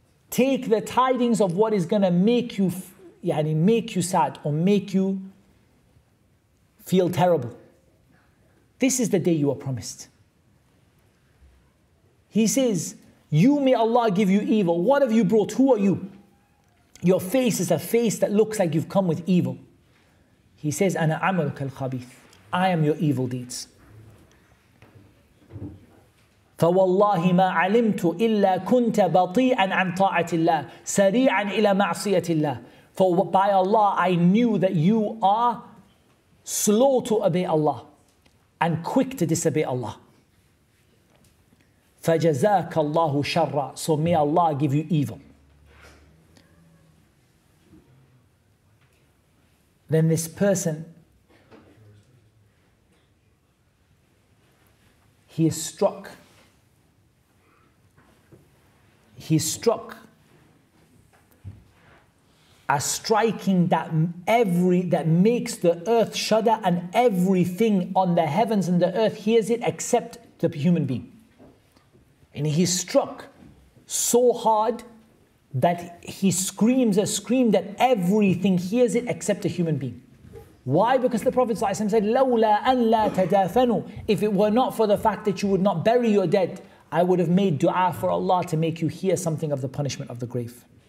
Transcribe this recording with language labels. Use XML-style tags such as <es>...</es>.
<en>Take the tidings of what is going to make you, يعني make you sad or make you feel terrible. This is the day you were promised. He says, you, may Allah give you evil. What have you brought? Who are you? Your face is a face that looks like you've come with evil.</en> <ar>He says, أنا عملك الخبيث.</ar> <en>I am your evil deeds.</en> <ar>فوالله ما علمت إلا كنت بطيئاً عن طاعة الله سريعاً إلى معصية الله.</ar> <en>For by Allah, I knew that you are slow to obey Allah and quick to disobey Allah.</en> <ar>فجزاك الله شرا.</ar> <en>So may Allah give you evil. Then this person, he is struck. He's struck a striking that makes the earth shudder, and everything on the heavens and the earth hears it except the human being. And he's struck so hard that he screams a scream that everything hears it except a human being. Why? Because the Prophet ﷺ said,</en> <ar>لَوْلَا أَن لَا تَدَافَنُوا.</ar> <en>If it were not for the fact that you would not bury your dead, I would have made dua for Allah to make you hear something of the punishment of the grave.</en>